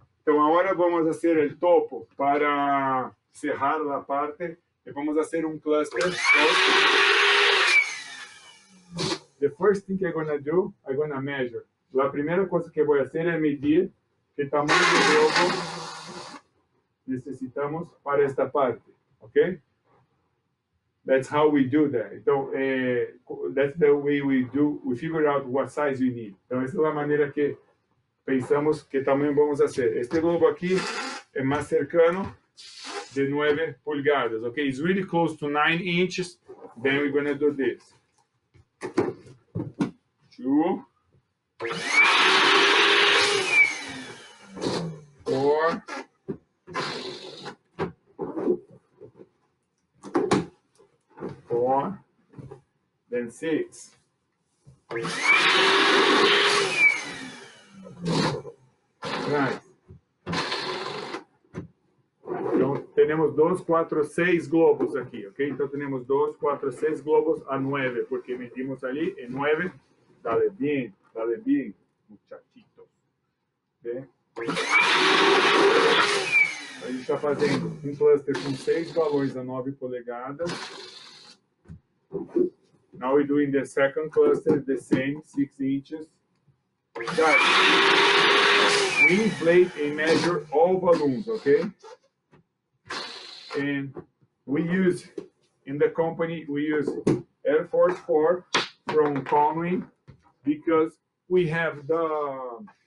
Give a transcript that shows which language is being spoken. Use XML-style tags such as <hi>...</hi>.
<pt>Então agora vamos fazer o topo para cerrar a parte. E vamos fazer cluster.</pt> <en>The first thing I'm gonna do, I'm gonna measure.</en> <pt>A primeira coisa que eu vou fazer é medir. Que tamanho de globo necessitamos para esta parte, ok?</pt> <en>That's how we do that. Então, that's the way we do, we figure out what size we need.</en> <pt>Então, essa é a maneira que pensamos que tamanho vamos fazer. Este globo aqui é mais cercano de 9 pulgadas, ok?</pt> <en>It's really close to 9 inches, then we're gonna do this. 2. 4, 4, then 6, 5.</en> <pt>Então, temos 2, 4, 6 globos aqui, ok? Então, temos 2, 4, 6 globos a 9, porque medimos ali em 9.</pt> <es>Dale bien, muchachito. Ok?</es> <pt>A gente está fazendo um cluster com 6 balões a 9 polegadas.</pt> <en>Now we're doing the second cluster, the same, 6 inches. Guys, we inflate and measure all balloons, okay? And we use, in the company, we use Air Force 4 from Conway because we have the...</en>